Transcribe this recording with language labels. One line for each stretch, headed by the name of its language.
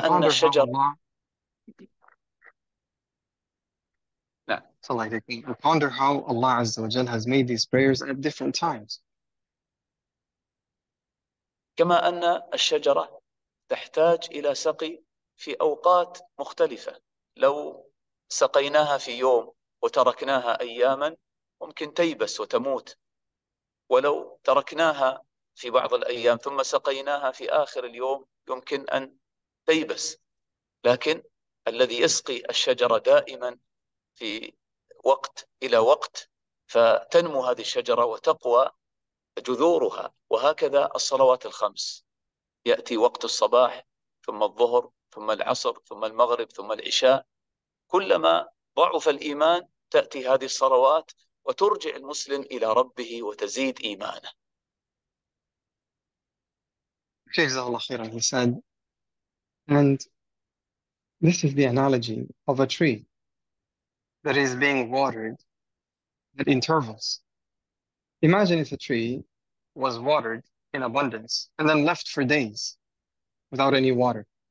English: And
Arabic: أن
English: ponder how
Arabic: الشجر
English: Allah And ponder how Allah Azza wa Jalla has made these prayers at different times.
Arabic: كما أن الشجرة تحتاج إلى سقي في أوقات مختلفة، لو سقيناها في يوم وتركناها أياما ممكن تيبس وتموت، ولو تركناها في بعض الأيام ثم سقيناها في آخر اليوم يمكن أن تيبس، لكن الذي يسقي الشجرة دائما في وقت إلى وقت فتنمو هذه الشجرة وتقوى جذورها. وهكذا الصلوات الخمس، يأتي وقت الصباح ثم الظهر ثم العصر ثم المغرب ثم العشاء، كلما ضعف الإيمان تأتي هذه الصلوات وترجع المسلم إلى ربه وتزيد إيمانه. جزاه الله خيرا.
English: He said, and this is the analogy of a tree that is being watered at intervals. Imagine if a tree was watered in abundance and then left for days without any water.